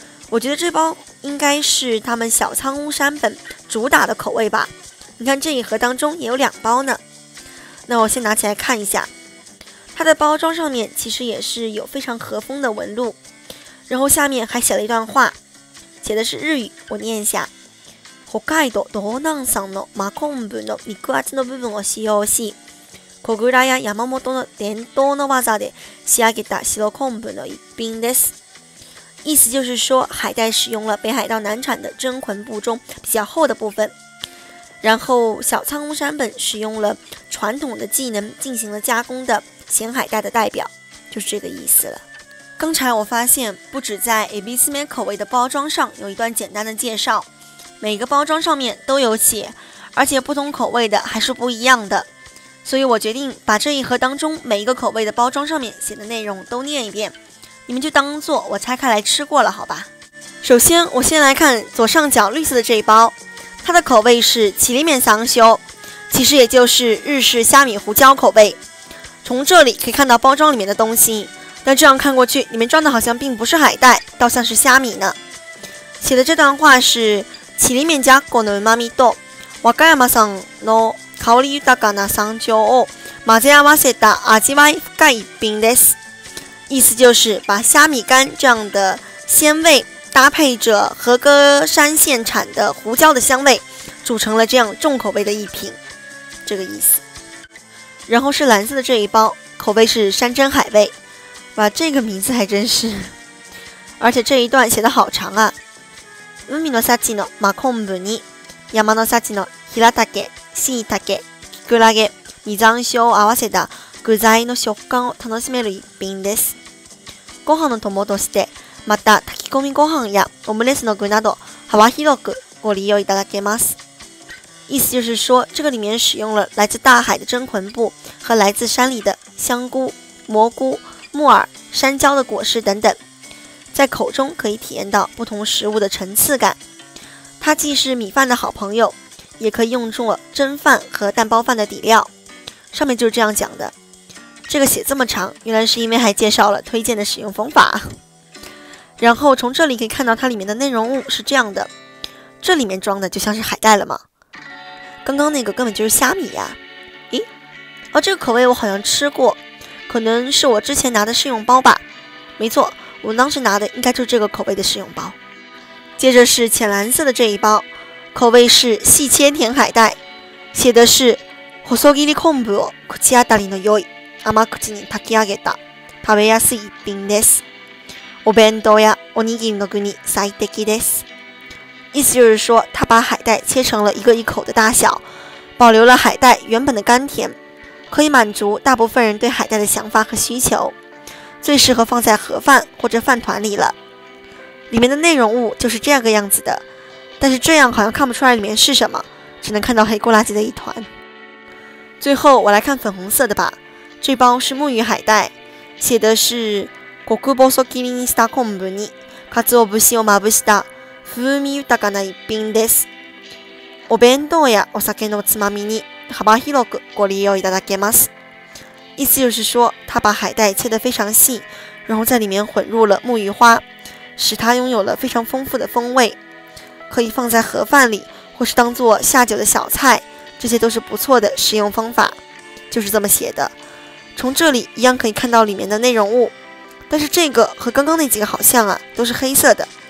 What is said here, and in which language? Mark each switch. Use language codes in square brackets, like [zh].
[zh] 我觉得这包应该是他们小仓屋山本主打的口味吧，你看这一盒当中也有两包呢。那我先拿起来看一下，它的包装上面其实也是有非常和风的纹路，然后下面还写了一段话，写的是日语，我念一下。 [ja] 北海道道南産の真昆布の肉厚の部分を使用し、小倉や山本の伝統の技で仕上げた白昆布の一品です。 [zh] 意思就是说，海带使用了北海道南产的真昆布中比较厚的部分，然后小仓屋山本使用了传统的技能进行了加工的咸海带的代表，就是这个意思了。刚才我发现不止在 ABC 面口味的包装上有一段简单的介绍，每个包装上面都有写，而且不同口味的还是不一样的，所以我决定把这一盒当中每一个口味的包装上面写的内容都念一遍，你们就当做我拆开来吃过了好吧。首先我先来看左上角绿色的这一包，它的口味是麒麟面桑修，其实也就是日式虾米胡椒口味。从这里可以看到包装里面的东西，但这样看过去里面装的好像并不是海带，倒像是虾米呢。写的这段话是，麒麟面加 [ja] このうまみと和歌山さんの香り豊かな山椒を混ぜ合わせた味わい深い一品です。 [zh] 意思就是把虾米干这样的鲜味搭配着和歌山县产的胡椒的香味，组成了这样重口味的一品，这个意思。然后是蓝色的这一包，口味是山珍海味，哇，这个名字还真是，而且这一段写的好长啊。 [ja] 海の幸の真昆布に山の幸の平茸、椎茸、キクラゲ、実山椒を合わせた具材の食感を楽しめる一品です。ご飯の友として、また炊き込みご飯やオムレツの具など幅広くご利用いただけます。 [zh] 意思就是说，这个里面使用了来自大海的真昆布和来自山里的香菇、蘑菇、木耳、山椒的果实等等，在口中可以体验到不同食物的层次感。它既是米饭的好朋友，也可以用作蒸饭和蛋包饭的底料。上面就是这样讲的，这个写这么长，原来是因为还介绍了推荐的使用方法。然后从这里可以看到它里面的内容物是这样的，这里面装的就像是海带了吗？刚刚那个根本就是虾米呀。咦，哦，这个口味我好像吃过，可能是我之前拿的试用包吧。没错，我当时拿的应该就是这个口味的试用包。接着是浅蓝色的这一包，口味是细切甜海带，写的是 [ja] 細切り昆布を口当たりの良い甘口に炊き上げた食べやすい一品です。お弁当やおにぎりの具に最適です。 [zh] 意思就是说，他把海带切成了一个一口的大小，保留了海带原本的甘甜，可以满足大部分人对海带的想法和需求，最适合放在盒饭或者饭团里了。里面的内容物就是这样个样子的，但是这样好像看不出来里面是什么，只能看到黑咕垃圾的一团。最后我来看粉红色的吧，这包是木鱼海带，写的是 [ja] 極細切りにした昆布に鰹節をまぶした風味豊かな一品です。お弁当やお酒のつまみに幅広くご利用いただけます。 [zh] 意思就是说，他把海带切得非常细，然后在里面混入了木鱼花，使它拥有了非常丰富的风味，可以放在盒饭里或是当做下酒的小菜，这些都是不错的食用方法。就是这么写的，从这里一样可以看到里面的内容物，但是这个和刚刚那几个好像啊，都是黑色的。